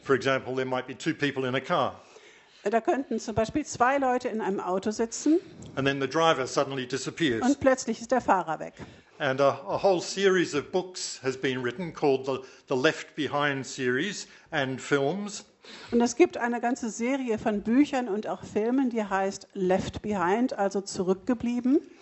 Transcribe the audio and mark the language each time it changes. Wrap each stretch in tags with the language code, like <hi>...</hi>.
<en>For example, there might be two people in a car.</en> <de>Da könnten zum Beispiel zwei Leute in einem Auto sitzen.</de> <en>And then the driver suddenly disappears.</en> <de>Und plötzlich ist der Fahrer weg.</de> <en>And a whole series of books has been written called the Left Behind series and films.</en> <de>Und es gibt eine ganze Serie von Büchern und auch Filmen, die heißt Left Behind, also zurückgeblieben.</de>